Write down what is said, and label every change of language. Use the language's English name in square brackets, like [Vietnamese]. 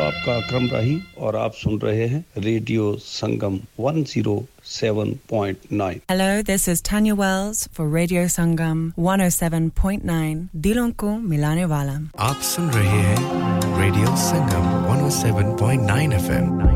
[Hindi] अक्रम राही और आप सुन रहे हैं radio Sangam 107.9. [English] Hello, this is Tanya Wells for Radio Sangam 107.9. [Hindi] Dilon ko milane wala. आप सुन रहे हैं रेडियो संगम 107.9 FM.